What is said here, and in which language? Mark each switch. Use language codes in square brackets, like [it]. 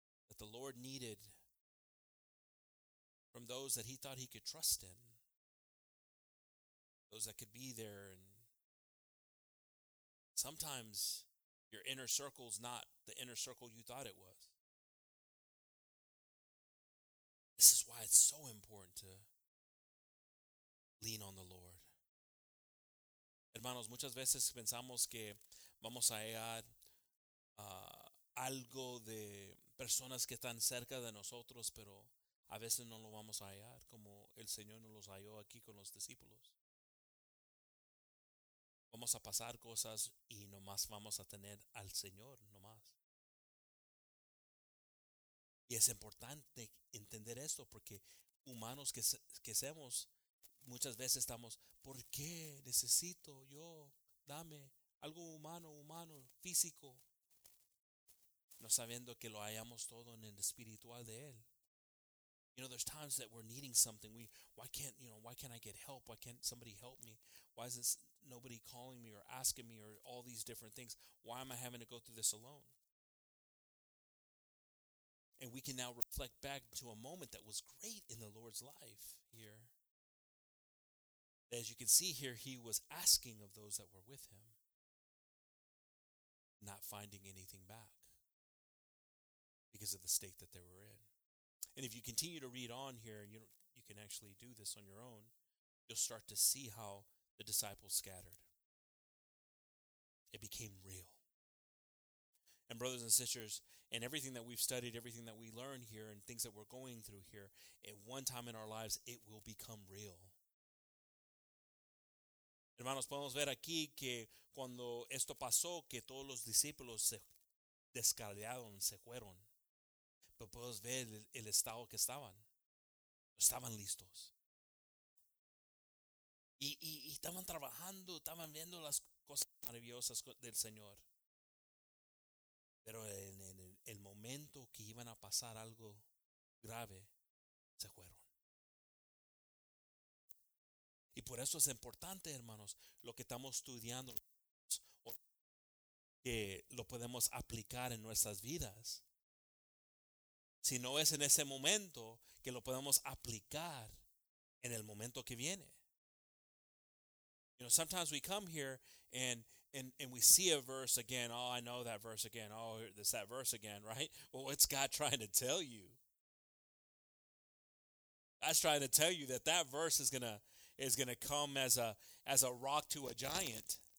[en] That the Lord needed from those that he thought he could trust in, those that could be there. And sometimes your inner circle's not the inner circle you thought it was. This is why it's so important to lean on the Lord. [es] Hermanos, muchas veces pensamos que vamos a hallar algo de personas que están cerca de nosotros, pero a veces no lo vamos a hallar, como el Señor nos los halló aquí con los discípulos. Vamos a pasar cosas y nomás vamos a tener al Señor, nomás. Y es importante entender esto porque humanos que seamos, muchas veces estamos, ¿por qué necesito yo? Dame algo humano, físico. No sabiendo que lo hayamos todo en el espiritual de Él. [en] You know, there's times that we're needing something. Why can't I get help? Why can't somebody help me? Why is this nobody calling me or asking me or all these different things? Why am I having to go through this alone? And we can now reflect back to a moment that was great in the Lord's life here. As you can see here, he was asking of those that were with him, not finding anything back because of the state that they were in. And if you continue to read on here, you can actually do this on your own, you'll start to see how the disciples scattered. It became real. And brothers and sisters, and everything that we've studied, everything that we learn here and things that we're going through here, at one time in our lives, it will become real. [es] Hermanos, podemos ver aquí que cuando esto pasó, que todos los discípulos se descarriaron, se fueron. Pero podemos ver el estado que estaban. Estaban listos. Y estaban trabajando, estaban viendo las cosas maravillosas del Señor. Pero en el momento que iban a pasar algo grave, se fueron. Y por eso es importante, hermanos, lo que estamos estudiando, que lo podemos aplicar en nuestras vidas. Si no es en ese momento, que lo podemos aplicar en el momento que viene. [en] You know, sometimes we come here and we see a verse again. Oh, I know that verse again. Oh, it's that verse again, right? Well, what's God trying to tell you? God's trying to tell you that verse is going to come as a rock to a giant.